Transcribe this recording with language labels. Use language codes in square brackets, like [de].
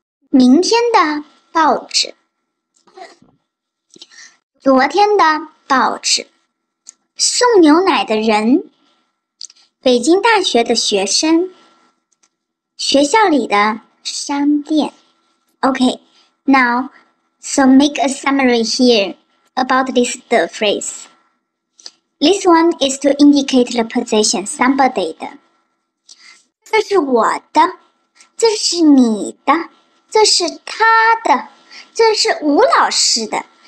[zh] 明天的报纸，昨天的报纸，送牛奶的人，北京大学的学生，学校里的商店，OK？Now。 [en] So make a summary here about this the phrase. This one is to indicate the position, somebody 的。 [zh] 这是我的，这是你的，这是他的，这是吴老师的。